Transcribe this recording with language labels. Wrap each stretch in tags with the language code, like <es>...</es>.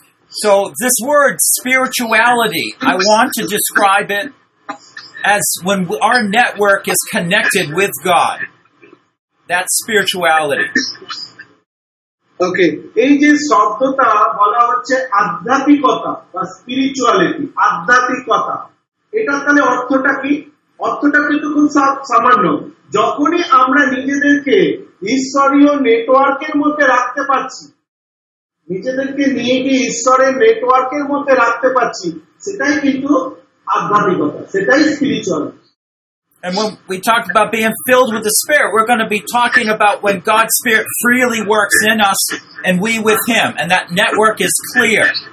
<en>So this word spirituality, I want to describe it as when our network is connected with God. That's spirituality. Okay.</en> <bn>এই যে শব্দটা বলা হচ্ছে আধ্যাত্মিকতা বা স্পিরিচুয়ালিটি আধ্যাত্মিকতা এটা তাহলে অর্থটা কি অর্থটা কিন্তু খুব সামান্য যখনই আমরা নিজেদেরকে ঈশ্বরীয় নেটওয়ার্কের মধ্যে রাখতে পারছি নিজেদেরকে নিয়ে ঈশ্বরের নেটওয়ার্কের মধ্যে রাখতে পারছি সেটাই কিন্তু আধ্যাত্মিকতা সেটাই spirituality</bn> <en>And when we talk about being filled with the Spirit, we're going to be talking about when God's Spirit freely works in us and we with Him. And that network is clear.</en>